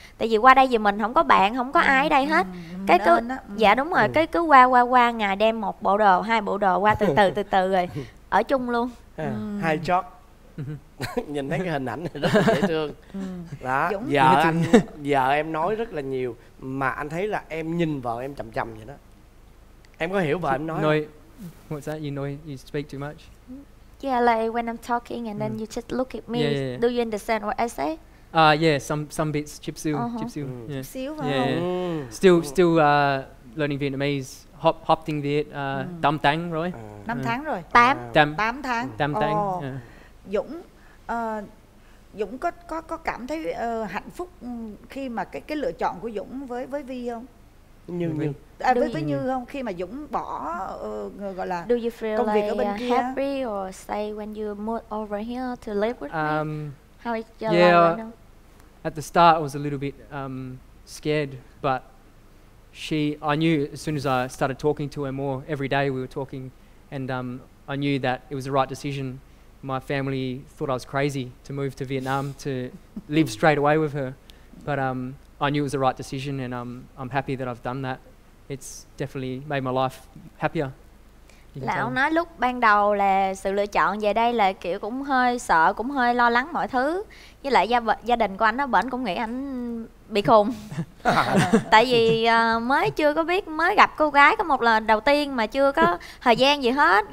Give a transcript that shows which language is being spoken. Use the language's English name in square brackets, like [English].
[Vietnamese] Tại vì qua đây vì mình không có bạn, không có ai ở đây hết. Cái cứ dạ đúng rồi, cái cứ qua ngày đem một bộ đồ, hai bộ đồ qua từ từ rồi ở chung luôn. Hai chót. Nhìn thấy cái hình ảnh này rất là dễ thương. Đó, vợ em nói rất là nhiều mà anh thấy là em nhìn vợ em chậm chậm vậy đó. Em có hiểu vợ em nói không? [English] What's that? You know you speak too much. Yeah, like when I'm talking and then you just look at me. Yeah. Do you understand what I say? Yeah, some bits chipsu. Chipsu. [Vietnamese] Chipsu. [English] Still learning Vietnamese. [Vietnamese] Hop tiếng Việt, tám tháng rồi. Năm tháng rồi. Tám tháng. Dũng, Dũng có cảm thấy hạnh phúc khi mà cái lựa chọn của Dũng với Vi không? Như không, khi mà Dũng bỏ gọi là [English] do you feel [Vietnamese] công việc [English] like [Vietnamese] ở bên kia. [English] Happy or say when you move over here to live with me? How is your life now? At the start, I was a little bit scared, but I knew as soon as I started talking to her more every day, we were talking, and I knew that it was the right decision. My family thought I was crazy to move to Vietnam to live straight away with her, but I knew it was the right decision, and I'm happy that I've done that. It's definitely made my life happier. [Vietnamese] Là ông nói lúc ban đầu là sự lựa chọn về đây là kiểu cũng hơi sợ, cũng hơi lo lắng mọi thứ. Với lại gia đình của anh ở bển cũng nghĩ anh bị khùng. Tại vì mới chưa có biết, mới gặp cô gái có một lần đầu tiên mà chưa có thời gian gì hết.